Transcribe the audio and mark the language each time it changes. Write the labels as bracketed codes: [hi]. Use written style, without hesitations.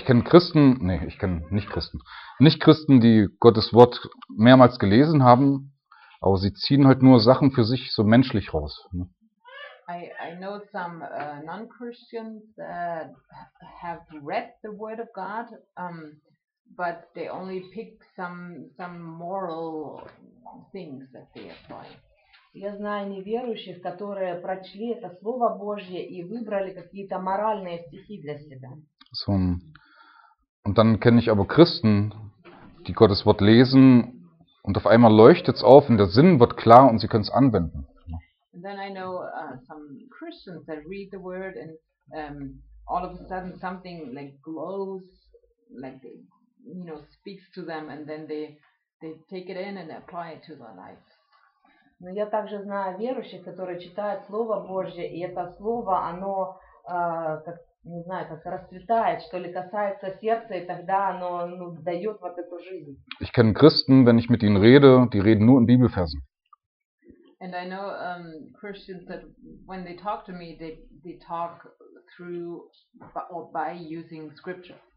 [de] Ich kenne nicht Christen, die Gottes Wort mehrmals gelesen haben, aber sie ziehen halt nur Sachen für sich so menschlich raus. [en] I know some non-Christians that have read the Word of God, but they only pick some moral things that they apply. [ru] Я знаю неверующих, которые прочли это Слово Божье и выбрали какие-то моральные стихи для себя. [de] So, und dann kenne ich aber Christen, die Gottes Wort lesen und auf einmal leuchtet es auf und der Sinn wird klar und sie können es anwenden. [en] And then I know some Christians that read the word and all of a sudden something like glows, like they, you know, speaks to them and then they take it in and apply it to their life. [ru] Но я также знаю верующих, которые читают Слово Божье, и это Слово, оно, как, не знаю, как расцветает, что ли, касается сердца, и тогда оно дает вот эту жизнь. [de] Ich kenne Christen, wenn ich mit ihnen rede, die reden nur in Bibelversen. [en] And I know Christians that when they talk to me, they talk through or by using scripture.